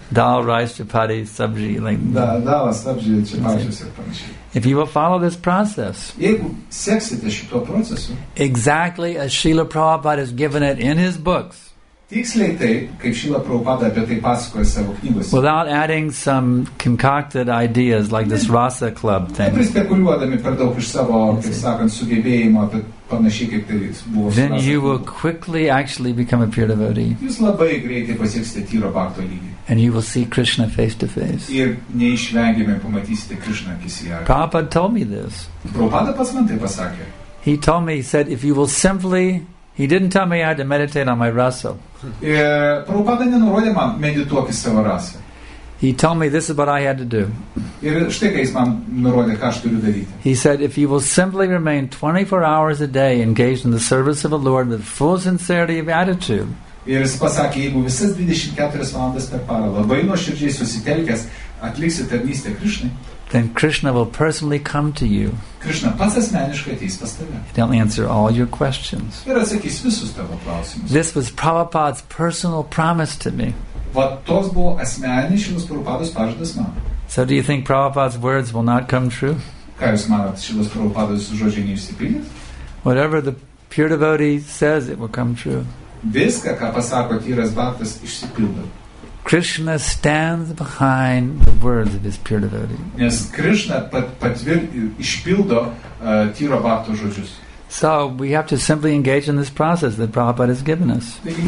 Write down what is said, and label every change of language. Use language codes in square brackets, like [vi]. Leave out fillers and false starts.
[en] Dal, rice, chapati, sabji, like... [lt] Dal, sabji, chapatis ir panašiai. [en] If you will follow this process, [lt] jeigu seksite šito procesu, [en] exactly as Srila Prabhupada has given it in his books, [lt] tiksliai taip, kaip Šila Prabhupada apie tai pasakoja savo knygose. [en] Without adding some concocted ideas like this Rasa Club thing. [lt] Neprispekuliuodami per daug iš savo, kaip sakant, sugebėjimo, bet panašiai kaip tai buvo. [en] Then you will quickly actually become a pure devotee. [lt] Jūs labai greitai pasieksite tyro bhakto lygį. [en] And you will see Krishna face to face. [lt] Ir neišvengiamai pamatysite Krishna akis į akį. [en] Prabhupada told me this. [lt] Prabhupada pas man tai pasakė. [en] He told me, he said, if you will simply... He didn't tell me I had to meditate on my rasa. [lt] Prabhupada nenurodė man medituoti savo rasą. [en] He told me this is what I had to do. [lt] Ir štai ką jis man nurodė, ką aš turiu daryti. [en] He said, if you will simply remain 24 hours a day engaged in the service of the Lord with full sincerity of attitude. [lt] Ir jis pasakė, jeigu visas 24 valandas per parą labai nuoširdžiai susitelkęs atliksi tarnystę Krishnai, [en] then Krishna will personally come to you. [lt] Krishna pats asmeniškai ateis pas tave. [en] He'll answer all your questions. [lt] Ir atsakys visus tavo klausimus. [en] This was Prabhupada's personal promise to me. [lt] Vat toks buvo asmeniškas Prabhupados pažadas man. [en] So do you think Prabhupada's words will not come true? [lt] Ką jūs manot, šilas Prabhupados žodžiai neišsipildys? [en] Whatever the pure devotee says, it will come true. [lt] Viską, ką pasako tyras bhaktas, išsipildo. [en] Krishna stands behind the words of his pure devotee. [lt] Yes, Krishna išpildo tyro bhakto žodžius. [en] So we have to simply engage in this process that Prabhupada has given us.